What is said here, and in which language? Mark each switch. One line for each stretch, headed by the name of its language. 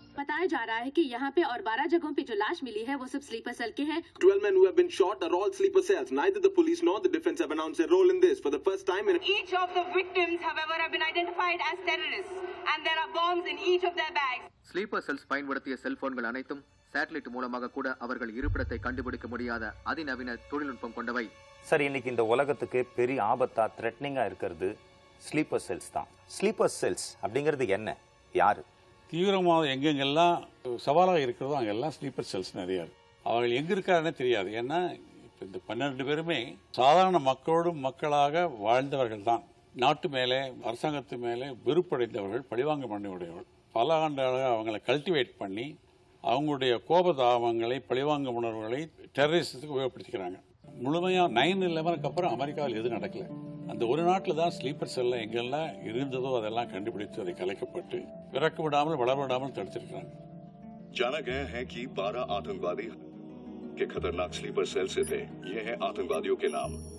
Hindi: बताया जा रहा है कि यहाँ पे और 12 जगहों पे जो लाश मिली है वो सब स्लीपर सेल के हैं.
English: 12 men who have been shot are all sleeper cells. Neither the police nor the defense have announced their role in this for the first time. Each of the victims, however, have been identified as terrorists, and there are bombs in each of their bags.
Tamil: Sleeper cells பயன்படுத்திய செல்போன்கள் அனைத்தும் satellite மூலமாக கூட அவர்கள் இருப்பிடத்தை கண்டுபிடிக்க முடியாத அதிநவீன தொழில்நுட்பம் கொண்டவை. சரி, இன்னைக்கு இந்த உலகத்துக்கு பெரிய ஆபத்தா த்ரெட்னிங்கா இருக்கிறது ஸ்லீப்பர் செல்ஸ் தான். ஸ்லீப்பர் செல்ஸ் அப்படிங்கிறது என்ன, யாரு? தீவிரமாக எங்கெங்கெல்லாம் சவாலாக இருக்கிறதோ அங்கெல்லாம் ஸ்லீப்பர் செல்ஸ் நிறையா இருக்கு. அவர்கள் எங்கே இருக்காருன்னே தெரியாது. ஏன்னா இப்போ இந்த 12 பேருமே சாதாரண மக்களோடும் மக்களாக வாழ்ந்தவர்கள் தான். நாட்டு மேலே அரசாங்கத்து மேலே வெறுப்படைந்தவர்கள், பழிவாங்கம் பண்ணியுடையவர்கள். பல ஆண்டுகளாக அவங்களை கல்டிவேட் பண்ணி அவங்களுடைய கோபதாபங்களை, பழிவாங்கும் உணர்வுகளை டெரரிசத்துக்கு உபயோகப்படுத்திக்கிறாங்க. முழுமையாக 9/11 அப்புறம் அமெரிக்காவில் எதுவும் நடக்கலை. அந்த ஒரு நாட்டில் தான் ஸ்லீப்பர் செல்ல எங்கெல்லாம் இருந்ததோ அதெல்லாம் கண்டுபிடித்து அதை கலைக்கப்பட்டு பிறக்க விடாமல் வளர விடாமல் தடுத்திருக்கிறாங்க.
Hindi: जाना गया है कि 12 आतंकवादी के खतरनाक स्लीपर सेल से थे। ये हैं आतंकवादियों के नाम।